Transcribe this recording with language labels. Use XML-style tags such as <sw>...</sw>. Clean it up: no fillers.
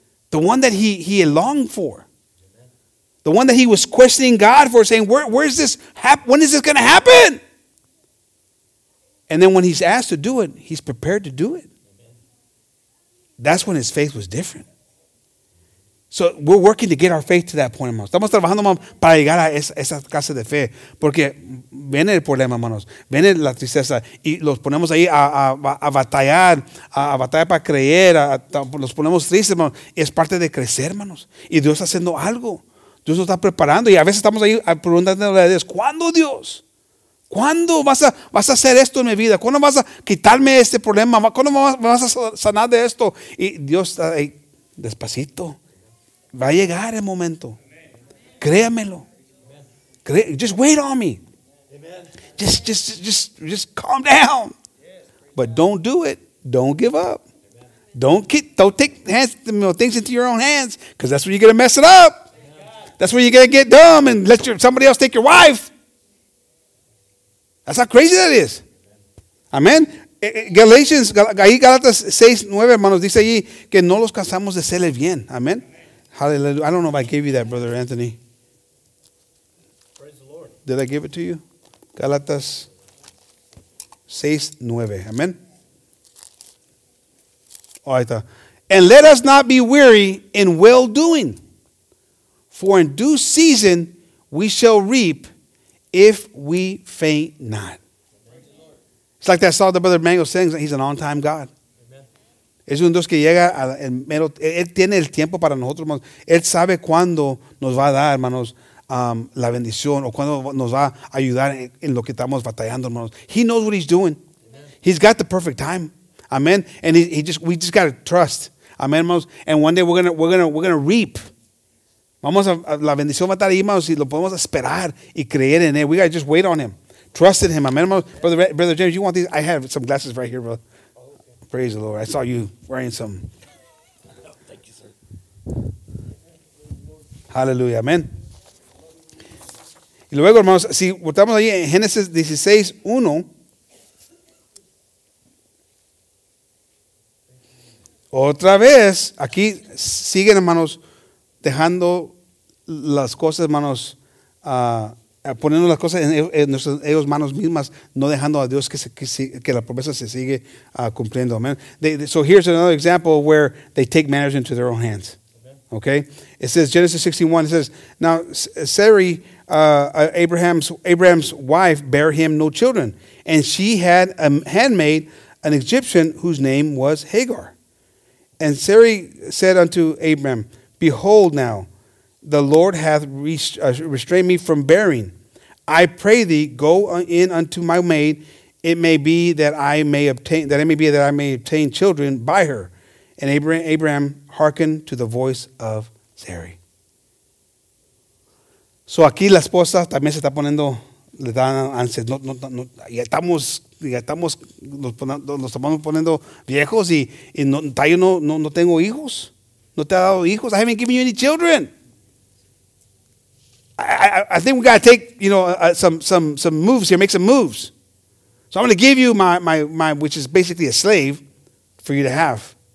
<en>The one that he had longed for. The one that he was questioning God for, saying, "Where is this? When is this going to happen?" And then when he's asked to do it, he's prepared to do it. That's when his faith was different. So we're working to get our faith to that point, hermanos.</en> <es>Estamos trabajando, hermanos, para llegar a esa clase de fe. Porque viene el problema, hermanos. Viene la tristeza. Y los ponemos ahí a batallar para creer. Los ponemos tristes, hermanos. Y es parte de crecer, hermanos. Y Dios está haciendo algo. Dios nos está preparando. Y a veces estamos ahí preguntándole a Dios, ¿cuándo, Dios? ¿Cuándo vas a hacer esto en mi vida? ¿Cuándo vas a quitarme este problema? ¿Cuándo me vas a sanar de esto? Y Dios está ahí, despacito. Va a llegar el momento. Amen. Créamelo. Amen.</es> <en>Just wait on me.</en> <es>Amen.</es> <en>Just calm down. Yes, but don't do it. Don't give up. Amen. Don't take things into your own hands, because that's where you're going to mess it up. Amen. That's where you're going to get dumb and let somebody else take your wife. That's how crazy that is. Amen.</en> <es>Galatians, ahí Galatas 6, 9, hermanos, dice allí que no los cansamos de hacerle bien. Amen.</es> <en>Hallelujah. I don't know if I gave you that, Brother Anthony. Praise the Lord. Did I give it to you? Galatas 6, 9. Amen.</en> <es>Oh, ahí está.</es> <en>And let us not be weary in well doing, for in due season we shall reap if we faint not. It's like that song that Brother Mango sings. He's an on-time God.</en> <es>Es un Dios que llega al mero. Él tiene el tiempo para nosotros, hermanos. Él sabe cuándo nos va a dar, hermanos, la bendición, o cuándo nos va a ayudar en lo que estamos batallando, hermanos.</es> <en>He knows what he's doing. Amen. He's got the perfect time. Amen. And we just got to trust. Amen, hermanos. And one day we're gonna reap.</en> <es>Vamos a la bendición va a estar ahí, hermanos, y lo podemos esperar y creer en él.</es> <en>We got to just wait on him. Trust in him. Amen, hermanos. Brother James, you want these? I have some glasses right here, brother. Praise the Lord. I saw you wearing some. Thank you, sir. Hallelujah. Amen.</en> <es>Y luego, hermanos, si votamos ahí en Génesis 16, 1. Otra vez, aquí siguen, hermanos, dejando las cosas, hermanos, poniendo las cosas en nuestras manos mismas, no dejando a Dios que la promesa se sigue cumpliendo. Amen.</es> <en>So here's another example where they take matters into their own hands. Okay? It says, Genesis 16:1, it says, now Sarai, Abraham's wife, bare him no children, and she had a handmaid, an Egyptian, whose name was Hagar. And Sarai said unto Abraham, behold now, the Lord hath restrained me from bearing. I pray thee, go in unto my maid. It may be that I may obtain children by her. And Abraham hearkened to the voice of Sarai. So</en> <es>aquí la esposa también se está poniendo, le dan ansias. No, ya estamos, nos estamos poniendo viejos y no, yo no tengo hijos. No te ha dado hijos.</es> <en>I haven't given you any children. I think we got to take, you know, some moves here, make some moves. So I'm going to give you my, which is basically a slave, for you to have.</en>